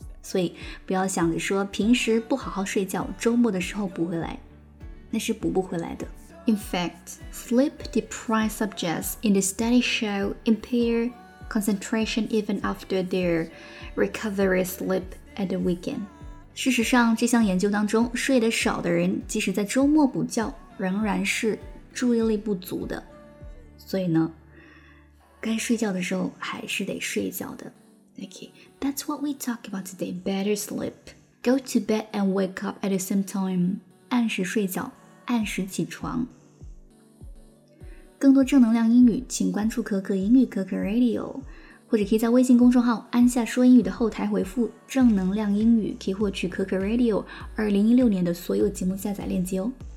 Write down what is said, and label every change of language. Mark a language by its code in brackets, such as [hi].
[zh] 所以不要想着说平时不好好睡觉，周末的时候补回来，那是补不回来的。 [en] In fact, sleep-deprived subjects in the study show impair concentration even after their recovery sleep at the weekend. [zh] 事实上，这项研究当中，睡得少的人，即使在周末补觉，仍然是注意力不足的。所以呢，该睡觉的时候还是得睡觉的。 [en] Okay, that's what we talk about today. Better sleep. Go to bed and wake up at the same time. [zh] 按时睡觉，按时起床。更多正能量英语请关注可可英语可可 Radio， 或者可以在微信公众号安夏说英语的后台回复正能量英语，可以获取可可 Radio 2016年的所有节目下载链接哦。